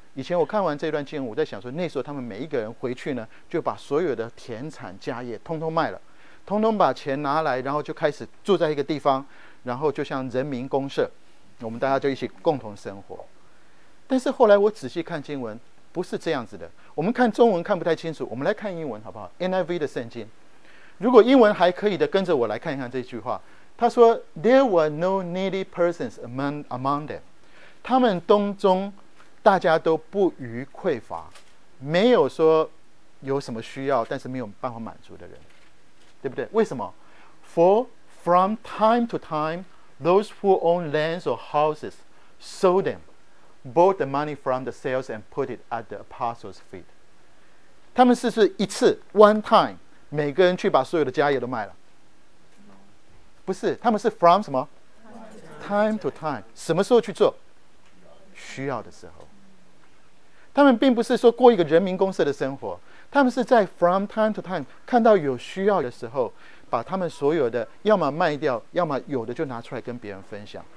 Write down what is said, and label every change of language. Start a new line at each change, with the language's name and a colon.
Chinese: 以前我看完这段经文，我在想说，那时候他们每一个人回去呢，就把所有的田产家业通通卖了，通通把钱拿来，然后就开始住在一个地方，然后就像人民公社，我们大家就一起共同生活。但是后来我仔细看经文，不是这样子的。我们看中文看不太清楚，我们来看英文好不好？ NIV 的圣经，如果英文还可以的，跟着我来看一看这句话。他说
English: There were no needy persons among them，
Chinese: 他们当中大家都不虞匮乏，没有说有什么需要但是没有办法满足的人，对不对？为什么？
English: For from time to time those who own lands or houses sold them, bought the money from the sales and put it at the apostles' feet.
Chinese: 他们是不是一次
English: one time
Chinese: 每个人去把所有的家业都卖了？不是，他们是 from 什么
English: time to time，
Chinese: 什么时候去做？需要的时候。他们并不是说过一个人民公社的生活，他们是在
English: from time to time
Chinese: 看到有需要的时候，把他们所有的要么卖掉，要么有的就拿出来跟别人分享。